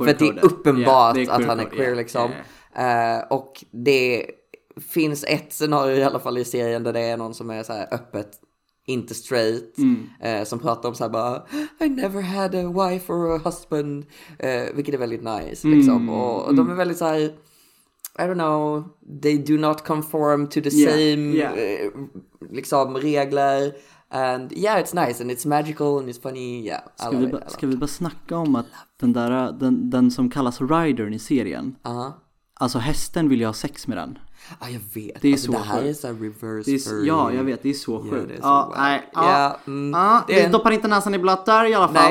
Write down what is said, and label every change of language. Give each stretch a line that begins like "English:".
Swedish: För att det är uppenbart det är queer-coded. Att han är queer liksom. Och det finns ett scenario i alla fall i serien där det är någon som är så här öppet inte straight, som pratar om så här bara,
English: I never had a wife or a husband,
Swedish: vilket är väldigt nice, liksom, och de är väldigt så här,
English: I don't know, they do not conform to the same
Swedish: liksom regler.
English: And yeah, it's nice and it's magical and it's funny. Yeah,
Swedish: ska vi bara snacka om att den där den som kallas Rider i serien. Alltså hästen vill jag ha sex med den. Ja, jag vet. Det är alltså, så det här sjukt. Är så reverse det är, ja, jag vet, det är så sjukt. Ja, det är så det är doppar inte näsan i blöt där i alla fall.